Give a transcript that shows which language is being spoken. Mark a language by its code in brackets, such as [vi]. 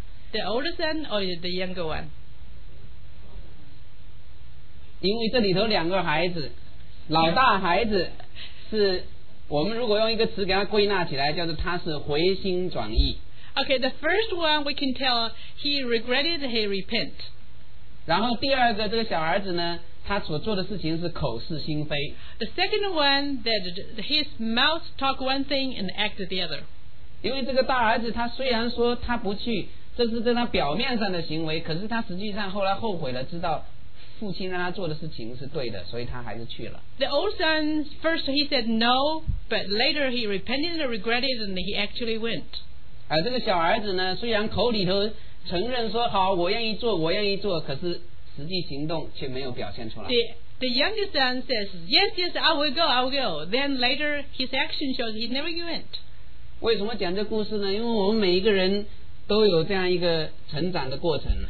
[en] The older son or the younger one? [zh] 因为这里头两个孩子，老大孩子是，我们如果用一个词给他归纳起来，叫做他是回心转意。 [en] Okay, the first one we can tell he regretted, he repent. [zh] 然后第二个这个小儿子呢，他所做的事情是口是心非。 [en] The second one that his mouth talk one thing and act the other. [zh] 因为这个大儿子他虽然说他不去，这是在他表面上的行为，可是他实际上后来后悔了，知道。父亲让他做的事情是对的，所以他还是去了。 [en] The old son, first he said no, but later he repented and regretted and he actually went. [zh] 这个小儿子呢，虽然口里头承认说好，我愿意做，我愿意做，可是实际行动却没有表现出来。 [en] The The youngest son says, yes, yes, I will go, I will go. Then later, his action shows he never went. [zh] 为什么讲这故事呢？因为我们每一个人都有这样一个成长的过程。